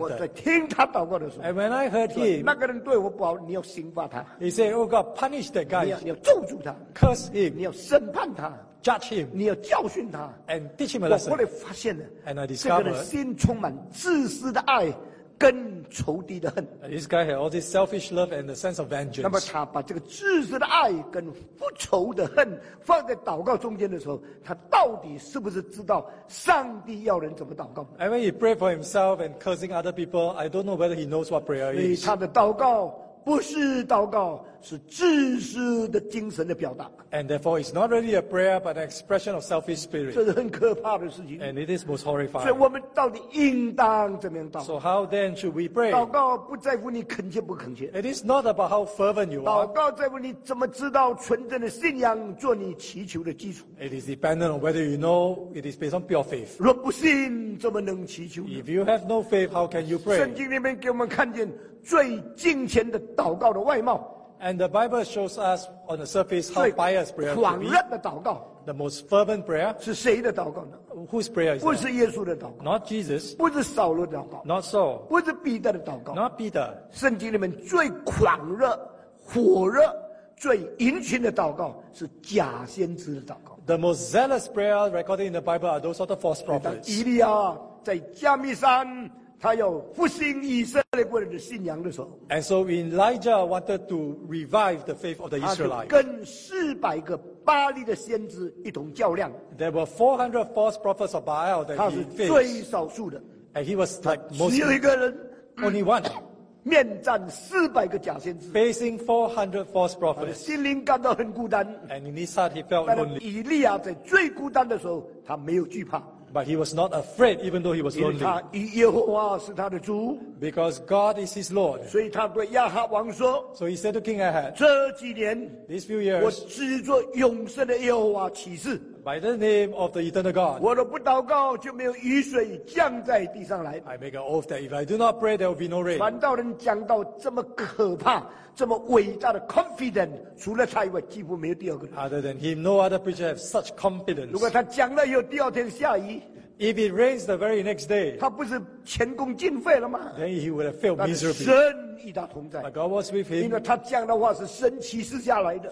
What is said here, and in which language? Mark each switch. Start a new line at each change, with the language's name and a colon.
Chinese: 我在听他祷告的时候。
English: And when I heard him,
Chinese: 那个人对我不好，你要刑罚他。
English: He said, Oh God, punish that guy.
Chinese: 你要咒诅他。
English: Curse him.
Chinese: 你要审判他。
English: Judge him.
Chinese: 你要教训他。
English: And teach him a lesson.
Chinese: 我后来发现了
English: ，And I discovered,
Chinese: 这个人心充满自私的爱。更仇敌的恨。
English: This guy had all this selfish love and the sense of vengeance.
Chinese: 那么他把这个自私的爱跟复仇的恨放在祷告中间的时候，他到底是不是知道上帝要人怎么祷告
English: ？And when he prayed for himself and cursing other people, I don't know whether he knows what prayer is.
Chinese: 所以他的祷告不是祷告，是自私的精神的表达。
English: And therefore, it's not really a prayer, but an expression of selfish spirit.
Chinese: 这是很可怕的事情。
English: And it is most horrifying.
Chinese: 所以我们到底应当怎么样祷告
English: ？So how then should we pray?
Chinese: 祷告不在乎你恳切不恳切。
English: It is not about how fervent you are.
Chinese: 祷告在乎你怎么知道纯正的信仰做你祈求的基础。
English: It is dependent on whether you know it is based on pure faith.
Chinese: 若不信，怎么能祈求
English: ？If you have no faith, how can you pray?
Chinese: 圣经里面给我们看见最敬虔的祷告的外貌。
English: And the Bible shows us on the surface how pious prayer is.
Chinese: 最狂热的祷告。
English: The most fervent prayer.
Chinese: 是谁的祷告呢
English: ？Whose prayer is that?
Chinese: 不是耶稣的祷告。
English: Not Jesus.
Chinese: 不是扫罗的祷告。
English: Not Saul.
Chinese: 不是彼得的祷告。
English: Not Peter.
Chinese: 圣经里面最狂热、火热、最殷勤的祷告是假先知的祷告。
English: The most zealous prayer recorded in the Bible are those of the false prophets.
Chinese: 以利亚在加密山。他要复兴以色列国人的信仰的时候
English: ，And so Elijah wanted to revive the faith of the Israelites.
Chinese: 跟400个巴利的先知一同较量。
English: There were 400 false prophets of Baal that he faced.
Chinese: 他是最少数的
English: ，And he was like most.
Chinese: 只有一个人
English: ，Only one.
Chinese: 面战400个假先知
English: ，Facing 400 false prophets.
Chinese: 他的心灵感到很孤单
English: ，And in his heart he felt lonely.
Chinese: 但是以利亚在最孤单的时候，他没有惧怕。
English: But he was not afraid, even though he was lonely.
Chinese: 因为他以耶和华是他的主。
English: Because God is his Lord.
Chinese: 所以他对亚哈王说。
English: So he said to King Ahab.
Chinese: 这几年
English: ，These few years,
Chinese: 我只做永生的耶和华起誓。
English: By the name of the eternal God.
Chinese: 我若不祷告，就没有雨水降在地上来。
English: I make an oath that if I do not pray, there will be no rain.
Chinese: 传道人讲到这么可怕。这么伟大的 confident， 除了他以外，几乎没有第二个人。
English: Other than him, no other preacher has such confidence.
Chinese: 如果他讲了，又第二天下雨
English: ，if it rains the very next day，
Chinese: 他不是前功尽废了吗
English: ？Then he would have failed miserably.
Chinese: 神与他同在。
English: But God was with him.
Chinese: 因为他讲的话是神启示下来的。